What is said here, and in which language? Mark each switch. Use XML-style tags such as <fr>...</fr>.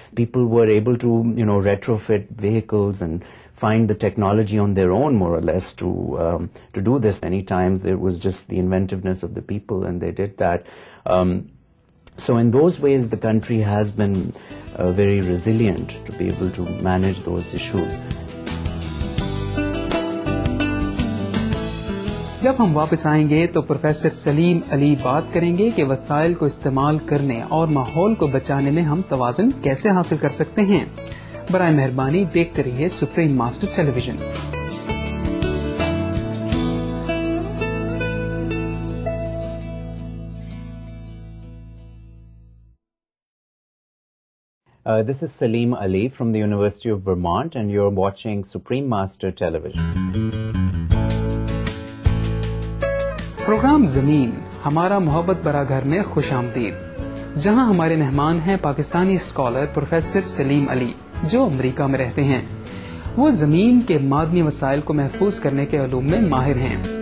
<en>People were able to, retrofit vehicles and find the technology on their own, more or less, to do this. Many times there was just the inventiveness of the people, and they did that. So in those ways, the country has been very resilient to be able to manage those issues.</en> <ur>جب ہم واپس آئیں گے تو professor سلیم علی بات کریں گے کہ وسائل کو استعمال کرنے اور ماحول کو بچانے میں ہم توازن کیسے حاصل کر سکتے ہیں. برائے مہربانی دیکھتے رہیے supreme master tele vision.</ur> <en>This is Salim Ali from the University of Vermont, and you're watching Supreme Master Television.</en> <ur>Programme زمین ہمارا محبت برا گھر میں خوش آمدید, جہاں ہمارے مہمان ہیں پاکستانی اسکالر پروفیسر سلیم علی جو امریکہ میں رہتے ہیں. وہ زمین کے معدنی وسائل کو محفوظ کرنے کے علوم میں ماہر ہیں.</ur>